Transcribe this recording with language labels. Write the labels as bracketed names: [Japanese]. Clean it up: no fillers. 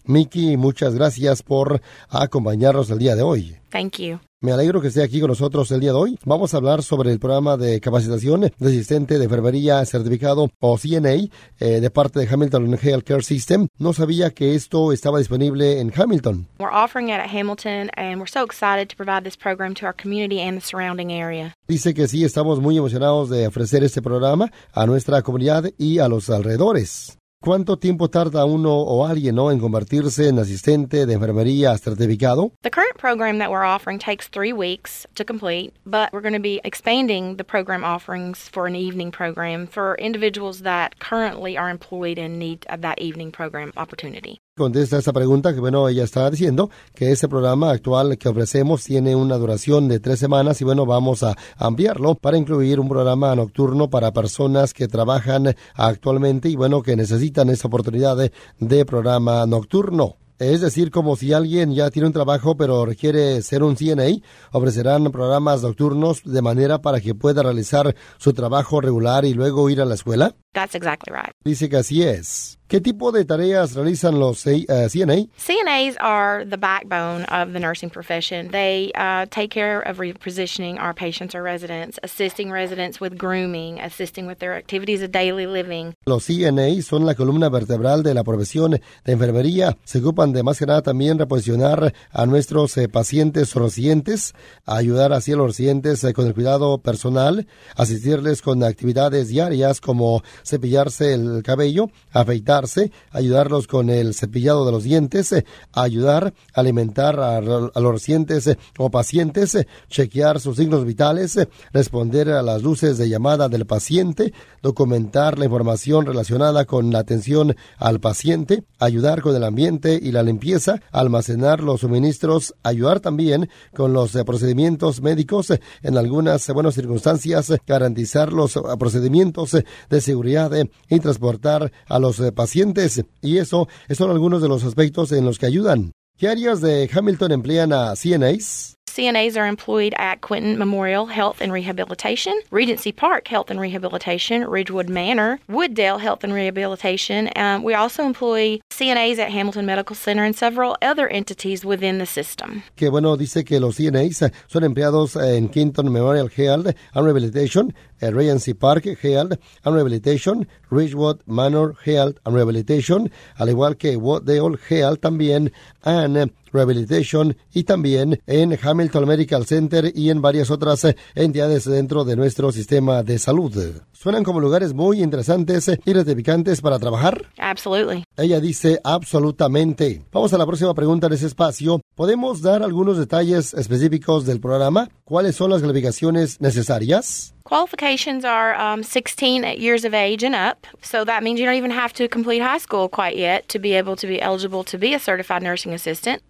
[Spanish] Mickey, muchas gracias por acompañarnos el día de hoy. [English] Thank you. [Spanish] Me alegro que esté aquí con nosotros el día de hoy. Vamos a hablar sobre el programa de capacitación de asistente de enfermería certificado o CNA de parte de Hamilton Healthcare System. No sabía que esto estaba disponible en Hamilton. [English] We're offering it at Hamilton and we're so excited to provide this program to our community and the surrounding area. [Spanish] Dice que sí, estamos muy emocionados de ofrecer este programa a nuestra comunidad y a los alrededores. ¿Cuánto tiempo tarda uno o alguien, ¿no?, en convertirse en asistente de enfermería certificado? [English] The current program that we're offering takes 3 weeks to complete, but we're going to be expanding the program offerings for an evening program for individuals that currently are employed and need of that evening program opportunity. [Spanish] Contesta esa pregunta que, bueno, ella estaba diciendo que ese programa actual que ofrecemos tiene una duración de 3 semanas y, bueno, vamos a ampliarlo para incluir un programa nocturno para personas que trabajan actualmente y, bueno, que necesitan esa oportunidad de programa nocturno. Es decir, como si alguien ya tiene un trabajo pero requiere ser un CNA, ofrecerán programas nocturnos de manera para que pueda realizar su trabajo regular y luego ir a la escuela. [English] That's exactly right. [Spanish] Dice que así es. ¿Qué tipo de tareas realizan los CNA? [English] CNAs are the backbone of the nursing profession. They take care of repositioning our patients or residents, assisting residents with grooming, assisting with their activities of daily living. [Spanish] Los CNA son la columna vertebral de la profesión de enfermería. Se ocupan de más que nada también reposicionar a nuestros pacientes o residentes, a ayudar así a los residentes con el cuidado personal, asistirles con actividades diarias como cepillarse el cabello, afeitarse, ayudarlos con el cepillado de los dientes, ayudar a alimentar a los residentes o pacientes, chequear sus signos vitales, responder a las luces de llamada del paciente, documentar la información relacionada con la atención al paciente, ayudar con el ambiente y la limpieza, almacenar los suministros, ayudar también con los procedimientos médicos en algunas buenas circunstancias, garantizar los procedimientos de seguridad y transportar a los pacientes. Y eso son algunos de los aspectos en los que ayudan. ¿Qué áreas de Hamilton emplean a CNAs? [English] CNAs are employed at Quinton Memorial Health and Rehabilitation, Regency Park Health and Rehabilitation, Ridgewood Manor, Wooddale Health and Rehabilitation. We also employ CNAs at Hamilton Medical Center and several other entities within the system. [Spanish] Que bueno, dice que los CNAs son empleados en Quinton Memorial Health and Rehabilitation, Regency Park Health and Rehabilitation, Ridgewood Manor Health and Rehabilitation, al igual que Wooddale Health también, and Rehabilitation, y también en Hamilton Medical Center y en varias otras entidades dentro de nuestro sistema de salud. ¿Suenan como lugares muy interesantes y gratificantes para trabajar? [English] Absolutely. [Spanish] Ella dice absolutamente. Vamos a la próxima pregunta de ese espacio. ¿Podemos dar algunos detalles específicos del programa? ¿Cuáles son las calificaciones necesarias? [English] Qualifications are 16 years of age and up, so that means you don't even have to complete high school quite yet to be able to be eligible to be a certified nursing assistant.